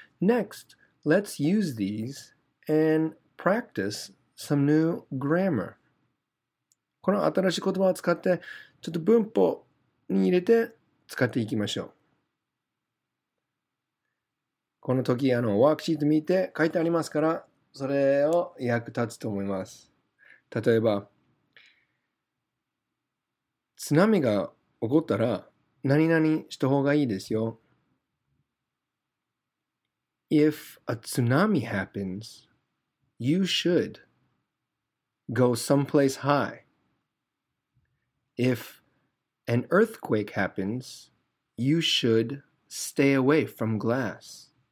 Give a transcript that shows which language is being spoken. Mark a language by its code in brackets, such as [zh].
[en] Next, let's use these and practice some new grammar. [ja] この新しい言葉を使ってちょっと文法に入れて使っていきましょう。この時あのワークシート見て書いてありますからそれを役立つと思います。例えば津波が起こったら何々した方がいいですよ。 [en] If a tsunami happens, you should go someplace high. If an earthquake happens, you should stay away from glass.